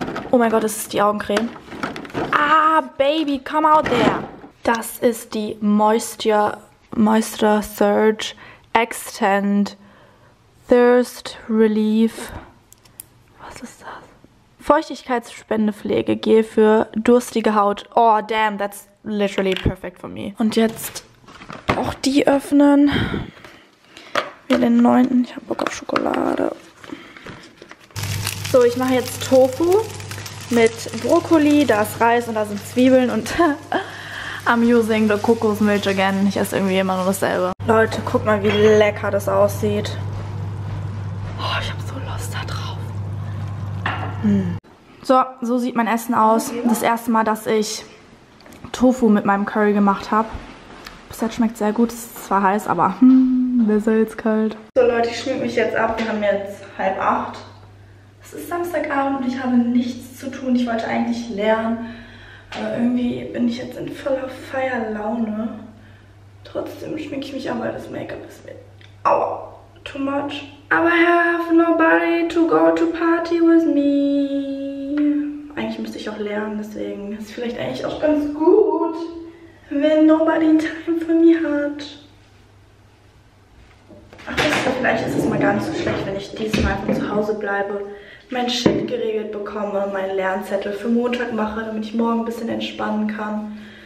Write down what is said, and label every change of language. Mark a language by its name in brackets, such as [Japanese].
[German] Oh mein Gott, das ist die Augencreme. Ah, [English] Baby, come out there. [German] Das ist die Moisture Surge Extend Thirst Relief. Was ist das? Feuchtigkeitsspendepflege. Gel für durstige Haut. [English] Oh, damn, that's literally perfect for me. [German] Und jetzt auch die öffnen. Wir den 9. Ich hab Bock auf Schokolade. So, ich mache jetzt Tofu mit Brokkoli. Da ist Reis und da sind Zwiebeln. Und [English] I'm using the [German] Kokos Milch [English] again. [German] Ich esse irgendwie immer nur dasselbe. Leute, guck mal, wie lecker das aussieht. Oh, ich hab so Lust da drauf. So sieht mein Essen aus. Das erste Mal, dass ich Tofu mit meinem Curry gemacht habe. Das schmeckt sehr gut, es ist zwar heiß, aber besser jetzt kalt. So Leute, ich schmink mich jetzt ab. Wir haben jetzt 7:30. Es ist Samstagabend und ich habe nichts zu tun. Ich wollte eigentlich lernen, aber irgendwie bin ich jetzt in voller Feierlaune. Trotzdem schmink ich mich ab, weil das Make-up ist mir [English] too much. [German] Aber [English] I have nobody to go to party with me. [German] Eigentlich müsste ich auch lernen, deswegen ist es vielleicht eigentlich auch ganz gut, wenn [English] nobody time for me [German] hat. Ach, vielleicht ist es mal gar nicht so schlecht, wenn ich diesmal von zu Hause bleibe, mein Shit geregelt bekomme, meinen Lernzettel für Montag mache, damit ich morgen ein bisschen entspannen kann.